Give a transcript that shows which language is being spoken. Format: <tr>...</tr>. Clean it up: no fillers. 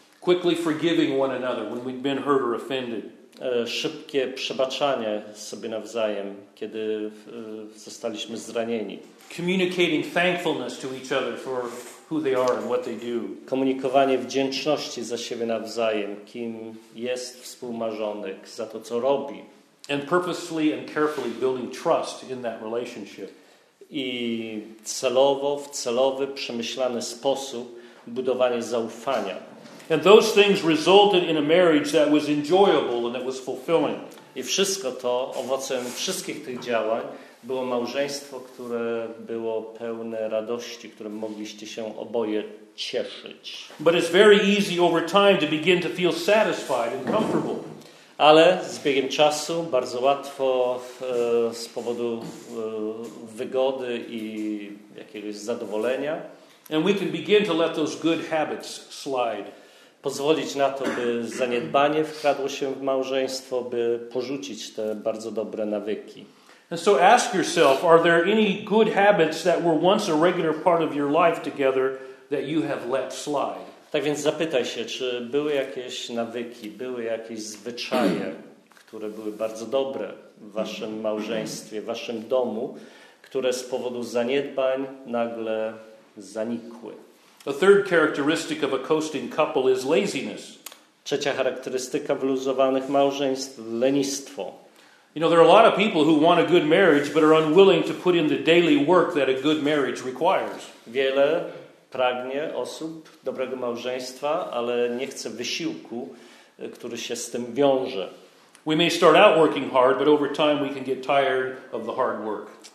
<en>Quickly forgiving one another when we've been hurt or offended.</en> <pl>Szybkie przebaczanie sobie nawzajem, kiedy zostaliśmy zranieni.</pl> <en>Communicating thankfulness to each other for who they are and what they do.</en> <pl>Komunikowanie wdzięczności za siebie nawzajem, kim jest współmałżonek, za to, co robi.</pl> <en>And purposely and carefully building trust in that relationship.</en> <pl>I celowo, w celowy, przemyślany sposób budowanie zaufania.</pl> <en>And those things resulted in a marriage that was enjoyable and that was fulfilling.</en> <pl>I wszystko to, owocem wszystkich tych działań, było małżeństwo, które było pełne radości, którym mogliście się oboje cieszyć.</pl> <en>But it's very easy over time to begin to feel satisfied and comfortable.</en> <pl>Ale z biegiem czasu bardzo łatwo z powodu wygody i jakiegoś zadowolenia</pl> <en>and we can begin to let those good habits slide.</en> <pl>Pozwolić na to, by zaniedbanie wkradło się w małżeństwo, by porzucić te bardzo dobre nawyki.</pl> <en>And so ask yourself, are there any good habits that were once a regular part of your life together that you have let slide?</en> <pl>Tak więc zapytaj się, czy były jakieś nawyki, były jakieś zwyczaje, które były bardzo dobre w waszym małżeństwie, w waszym domu, które z powodu zaniedbań nagle zanikły.</pl> <en>A third characteristic of a coasting couple is laziness.</en> <pl>Trzecia charakterystyka wyluzowanych małżeństw, lenistwo.</pl> <en>You know, there are a lot of people who want a good marriage, but are unwilling to put in the daily work that a good marriage requires.</en> <pl>Wiele pragnie osób dobrego małżeństwa, ale nie chce wysiłku, który się z tym wiąże.</pl> <en>We may start out working hard, but over time we can get tired of the hard work.</en>